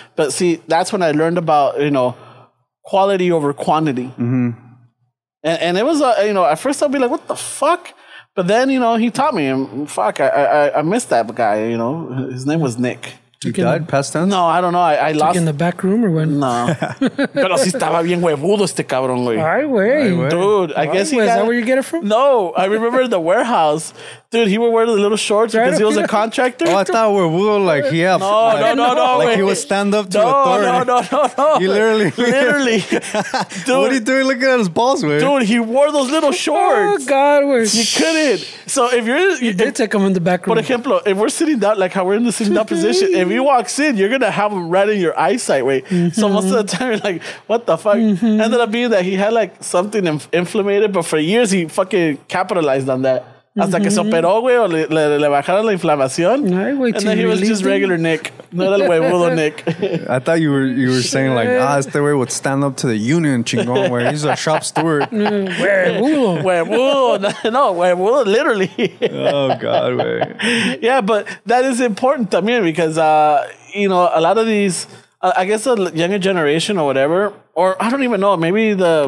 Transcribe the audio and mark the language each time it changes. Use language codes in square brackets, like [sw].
[en] But see, that's when I learned about, you know, quality over quantity. Mm-hmm. And it was, you know, at first I'd be like, what the fuck? But then, you know, he taught me. And fuck, I missed that guy, you know. His name was Nick. He died? Past tense? No, I don't know. I lost. In the back room or when? No. [es] Pero si estaba bien huevudo este cabrón, güey. Ay, güey. [en] Dude, I guess he got... Is that where you get it from? No, I remember the warehouse. Dude, he would wear the little shorts because he was a contractor. Oh, I thought huevudo, like, he had... No, like, he would stand up to authority. No. He literally. Dude. What are you doing looking at his balls, güey? Dude, he wore those little shorts. Oh, God, güey. You couldn't. So if you're... You did take him in the back room. [es] Por ejemplo, [en] if we're sitting down, like how we're in the sitting down position, if he walks in, you're going to have him right in your eyesight, wait. Mm-hmm. So most of the time, you're like, what the fuck? Mm-hmm. Ended up being that he had like something inflamed, but for years, he fucking capitalized on that. Mm-hmm. [es] Hasta que se operó, güey, o le bajaron la inflamación. Ay, wey, [en] and then he was just leading? [es] Regular Nick. No era el huevudo Nick. [en] I thought you were saying like, ah, [es] este güey [en] would stand up to the union, [es] chingón, güey. [en] He's a shop steward. [es] Huevudo. Huevudo. No, huevudo, literally. [en] Oh, God, güey. Yeah, but that is important también because, you know, a lot of these, I guess the younger generation or whatever, or I don't even know, maybe the...